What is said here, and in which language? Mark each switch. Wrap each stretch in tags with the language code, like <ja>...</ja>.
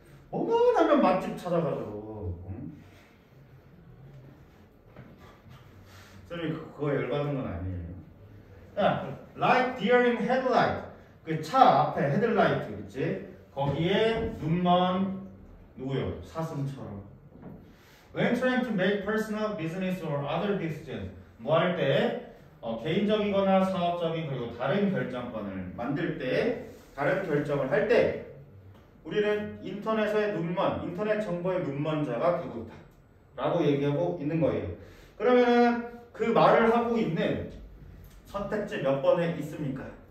<ko>어마어마한 맛집 찾아가죠. 쌤이 그거 열받은 건 아니에요. 자,</ko> <en>like deering headlight.</en> <ko>그 차 앞에 헤드라이트 있지? 거기에 눈만 누구요? 사슴처럼.</ko> <en>When trying to make personal business or other decisions.</en> <ko>뭐 할 때? 개인적이거나 사업적인 그리고 다른 결정권을 만들 때, 다른 결정을 할 때, 우리는 인터넷의 눈먼, 인터넷 정보의 눈먼자가 되고 있다. 라고 얘기하고 있는 거예요. 그러면 그 말을 하고 있는 선택지 몇 번에 있습니까?</ko>